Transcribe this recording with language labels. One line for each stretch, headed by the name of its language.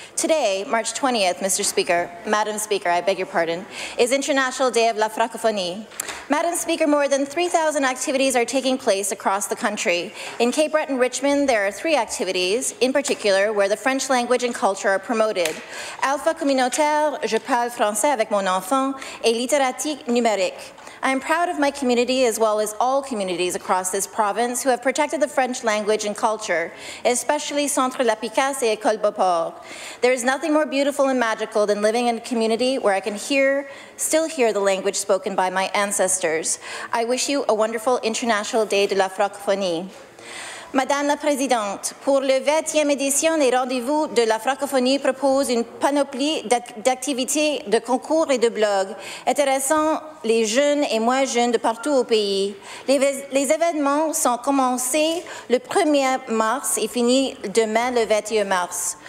English: Today, March 20th, Madam Speaker, is International Day of la Francophonie. Madam Speaker, more than 3,000 activities are taking place across the country. In Cape Breton, Richmond, there are three activities, in particular, where the French language and culture are promoted.
French: Alpha Communautaire, Je parle français avec mon enfant, et littératique numérique.
English: I am proud of my community as well as all communities across this province who have protected the French language and culture, especially Centre La Picasse et École Beauport. There is nothing more beautiful and magical than living in a community where I can still hear the language spoken by my ancestors. I wish you a wonderful International Day de la Francophonie.
French: Madame la Présidente, pour le 20e édition des rendez-vous de la francophonie propose une panoplie d'activités, de concours et de blogs intéressant les jeunes et moins jeunes de partout au pays. Les événements sont commencés le 1er mars et finis demain le 21 mars.